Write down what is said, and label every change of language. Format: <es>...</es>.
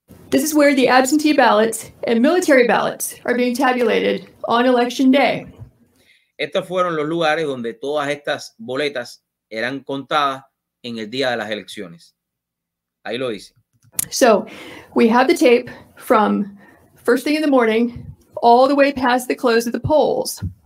<en>This is where the absentee ballots and military ballots are being tabulated on election day.</en> <es>Estos fueron los lugares donde todas estas boletas eran contadas en el día de las elecciones. Ahí lo dice.</es> <en>So, we have the tape from first thing in the morning all the way past the close of the polls.</en>